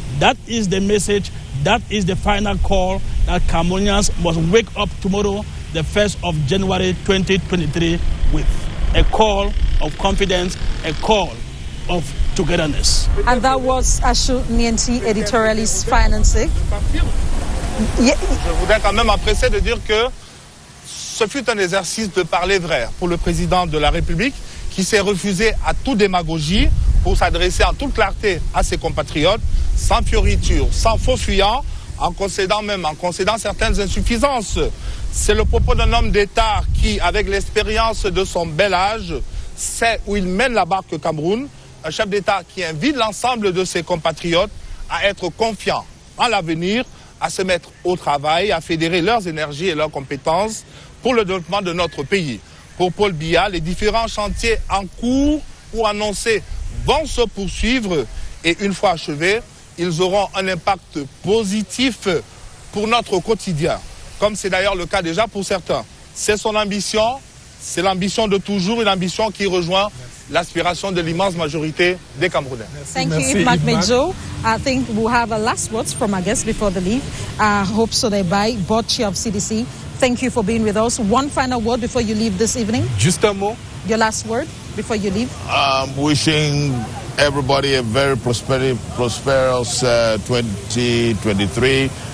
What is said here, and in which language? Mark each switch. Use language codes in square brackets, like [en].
[en] That is the message, that is the final call that Cameroonians must wake up tomorrow, the 1st of January 2023, with a call of confidence, a call of togetherness. And that was Achou Nienti, editorialist financing. [fr] Je voudrais quand même apprécier de dire que ce fut un exercice de parler vrai pour le président de la République qui s'est refusé à toute démagogie pour s'adresser en toute clarté à ses compatriotes, sans fioritures, sans faux fuyants, en concédant certaines insuffisances. C'est le propos d'un homme d'État qui, avec l'expérience de son bel âge, sait où il mène la barque Cameroun, un chef d'État qui invite l'ensemble de ses compatriotes à être confiants en l'avenir, à se mettre au travail, à fédérer leurs énergies et leurs compétences pour le développement de notre pays. Pour Paul Biya, les différents chantiers en cours ou annoncés vont se poursuivre et une fois achevés, ils auront un impact positif pour notre quotidien, comme c'est d'ailleurs le cas déjà pour certains. C'est son ambition, c'est l'ambition de toujours, une ambition qui rejoint l'aspiration de l'immense majorité des Camerounais. Merci, Yves Magmejo. [en] I think we have a last words from our guests before they leave. Hope so they buy, board chair of CDC. Thank you for being with us. One final word before you leave this evening. Just a moment. Your last word before you leave. I'm wishing everybody a very prosperous 2023.